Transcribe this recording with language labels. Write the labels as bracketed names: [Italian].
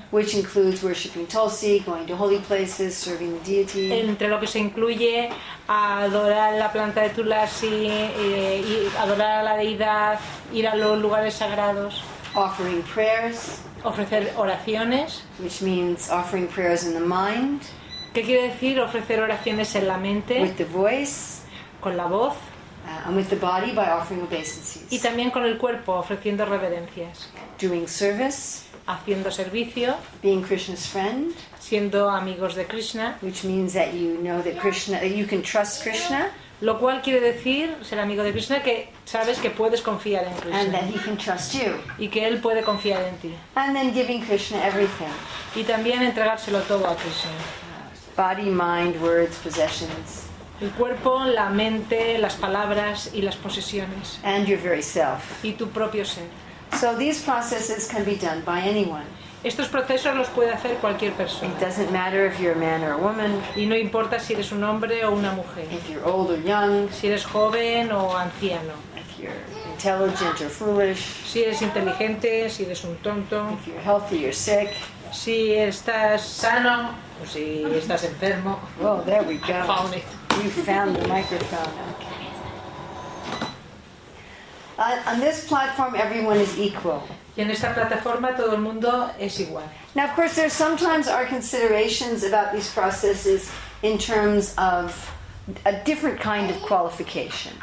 [English] Which includes worshipping Tulsi, going to holy places, serving the deity. [Spanish] Entre lo que se incluye adorar la planta de Tulsi, y adorar a la deidad, ir a los lugares sagrados. [English] Offering prayers, [Spanish] ofrecer oraciones, [English] which means offering prayers in the mind, [Spanish] ¿qué quiere decir ofrecer oraciones en la mente? [English] With the voice, [Spanish] con la voz, [English] and with the body by offering obeisances, [Spanish] y también con el cuerpo ofreciendo reverencias. [English] Doing service, [Spanish] haciendo servicio, [English] being Krishna's friend, [Spanish] siendo amigos de Krishna, [English] which means that you know that Krishna, that you can trust Krishna. [Spanish] Lo cual quiere decir, ser amigo de Krishna, que sabes que puedes confiar en Krishna. [English] And that he can trust you. [Spanish] Y que él puede confiar en ti. [English] And then giving Krishna everything. [Spanish] Y también entregárselo todo a Krishna. [English] Body, mind, words, possessions. [Spanish] El cuerpo, la mente, las palabras y las posesiones. [English] And your very self. [Spanish] Y tu propio ser. [English] So these processes can be done by anyone. [Spanish] Estos procesos los puede hacer cualquier persona. [English] It doesn't matter if you're a man or a woman. [Spanish] Y no importa si eres un hombre o una mujer. [English] If you're old or young. [Spanish] Si eres joven o anciano. [English] If you're intelligent or foolish. [Spanish] Si eres inteligente, si eres un tonto. [English] If you're healthy or sick. [Spanish] Si estás sano o si estás enfermo. [English] Oh, there we go. Found it. You found the microphone. Okay. On this platform, everyone is equal. [Spanish] Y en esta plataforma todo el mundo es igual. [English] Now, of course, there sometimes are considerations about these processes in terms of a different kind of qualification.